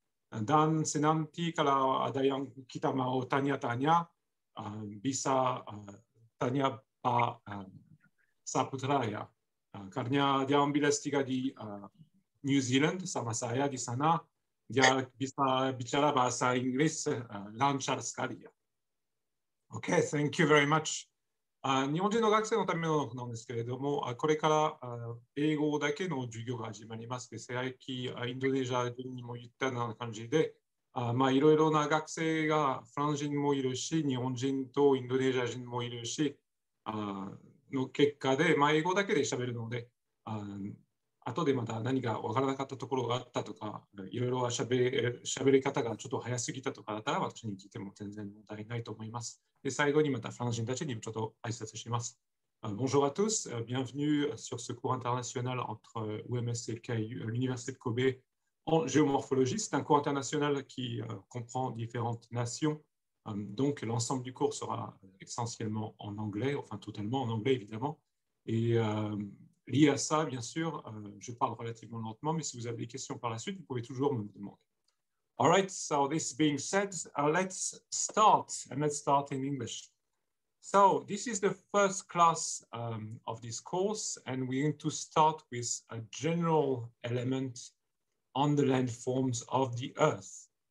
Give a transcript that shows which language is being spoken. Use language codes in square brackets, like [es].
[id] Dan senanti kalau ada yang kita mau tanya-tanya, bisa tanya Pak Saputra ya, karena dia ambil S3 di New Zealand sama saya di sana, dia bisa bicara bahasa Inggris lancar sekali ya. [en] Okay, thank you very much. [ja] 日本人の学生のためのなんですけれども、これから英語だけの授業が始まります。で、最近インドネシア人にも言ったような感じで。まあ、いろいろな学生がフランス人もいるし、日本人とインドネシア人もいるし、の結果で、まあ、英語だけで喋るので、後でまた何か分からなかったところがあったとか、いろいろ喋り方がちょっと早すぎたとかだったら、私に聞いても全然問題ないと思います。で最後にまたフランス人たちにもちょっと挨拶します。 [fr] Bonjour à tous, bienvenue sur ce cours international entre UMS et KU, l'Université de Kobe. En géomorphologie, c'est un cours international qui comprend différentes nations. Donc, l'ensemble du cours sera essentiellement en anglais, enfin totalement en anglais, évidemment. Et lié à ça, bien sûr, je parle relativement lentement, mais si vous avez des questions par la suite, vous pouvez toujours me demander. [en] All right, so this being said, let's start, and let's start in English. So, this is the first class of this course, and we're going to start with a general elementon the landforms of the Earth.